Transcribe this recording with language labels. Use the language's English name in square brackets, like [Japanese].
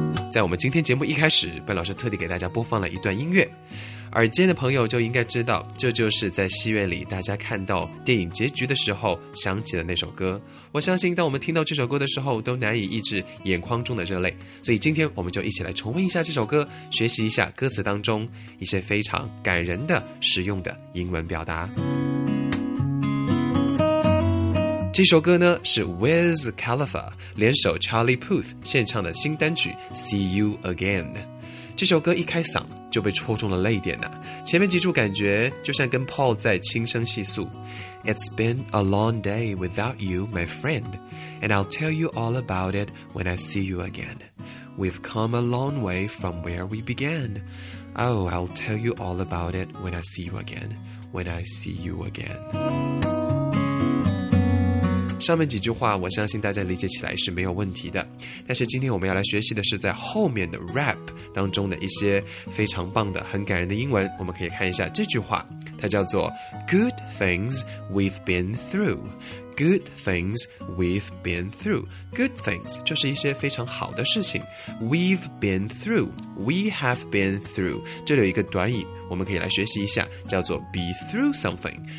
[Chinese] 在我们今天节目一开始，笨老师特地给大家播放了一段音乐，耳尖的朋友就应该知道，这就是在戏院里大家看到电影结局的时候响起的那首歌。我相信当我们听到这首歌的时候都难以抑制眼眶中的热泪，所以今天我们就一起来重温一下这首歌，学习一下歌词当中一些非常感人的实用的英文表达。这首歌呢是 Wiz Khalifa 联手 Charlie Puth 献唱的新单曲 See You Again。这首歌一开嗓就被戳中了泪点啊，前面几处感觉就像跟 Paul 在轻声细诉 [English] It's been a long day without you, my friend, and I'll tell you all about it when I see you again. We've come a long way from where we began. Oh, I'll tell you all about it when I see you again. When I see you again. [Chinese] 上面几句话我相信大家理解起来是没有问题的，但是今天我们要来学习的是在后面的 rap 当中的一些非常棒的很感人的英文。我们可以看一下这句话，它叫做 [English] Good things we've been throughGood things we've been through. [Chinese] Good things 就是一些非常好的事情。 [English] We've been through. We have been through. [Chinese] 这里有一个短语，我们可以来学习一下，叫做 [English] be through something.